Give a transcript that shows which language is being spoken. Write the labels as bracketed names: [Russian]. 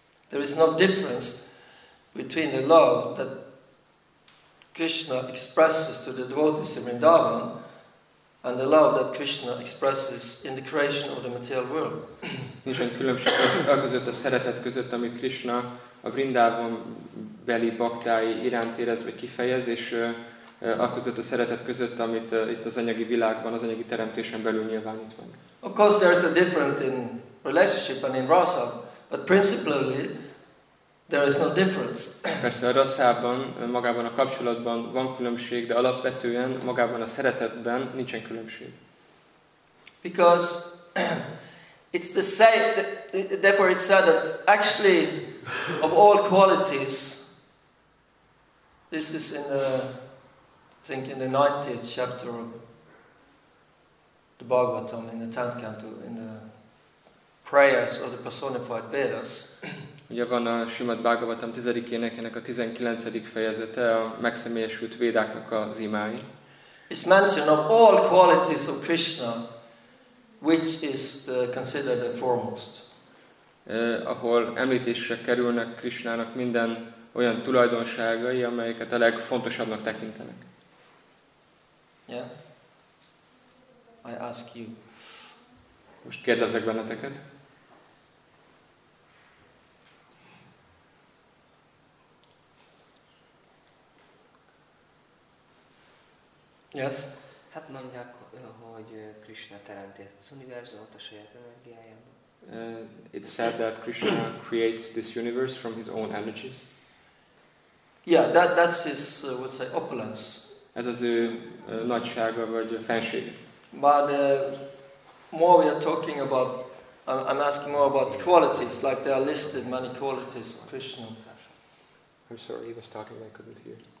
[English] There is no difference between the love that Krishna expresses to the devotees in Vrindavan and the love that Krishna expresses in the creation of the material world. [Hungarian] Nincsen különbség a között, a szeretet között, amit Krishna a Vrindavan beli baktái iránt érez, vagy kifejez, és a között, a szeretet között, amit itt az anyagi világban, az anyagi teremtésen belül nyilvánít van. [English] Of course there is a difference in relationship and in rasa, but principally there is no difference. [Hungarian] Persze a rasszában, magában a kapcsolatban van különbség, de alapvetően magában a szeretetben nincsen különbség. [English] Because it's the same, therefore it's said that actually of all qualities, this is in the, I think in the 90th chapter of the Bhagavatam, in the 10th canto, in the prayers or the personified Vedas. [Hungarian] Ugye van a Srimad Bhagavatam 10. énekének a 19. fejezete, a megszemélyesült védáknak az imái. [English] It's mentioned of all qualities of Krishna, which is the, considered the foremost. [Hungarian] Ahol említésre kerülnek Krishnának minden olyan tulajdonságai, amelyeket a legfontosabbnak tekintenek. [English] Yeah? I ask you. [Hungarian] Most kérdezek benneteket. [English] Yes. [Hungarian] Hát mondják, hogy Krishna teremti az univerzumot a saját energiájában. [English] It's said that Krishna creates this universe from his own energies. Yeah, that's his, would say, opulence. [Hungarian] Ez az ő nagysága vagy fensége. [English] But more we are talking about, I'm asking more about qualities, like there are listed many qualities of Krishna. I'm sorry, he was talking, I couldn't hear.